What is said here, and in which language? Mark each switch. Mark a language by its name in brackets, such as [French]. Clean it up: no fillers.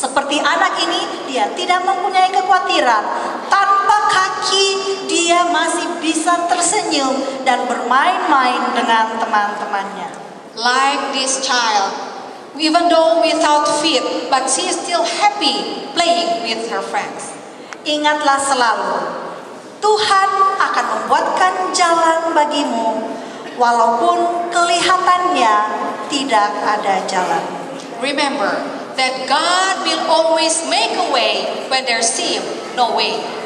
[Indonesian] Seperti anak ini, dia tidak mempunyai kekhawatiran. Tanpa kaki, dia masih bisa tersenyum dan bermain-main dengan teman-temannya. [English] Like this child, even though without feet, but she is still happy playing with her friends. [Indonesian] Ingatlah selalu, Tuhan akan membuatkan jalan bagimu, walaupun kelihatannya tidak ada jalan. [English] Remember that God will always make a way when there seems no way.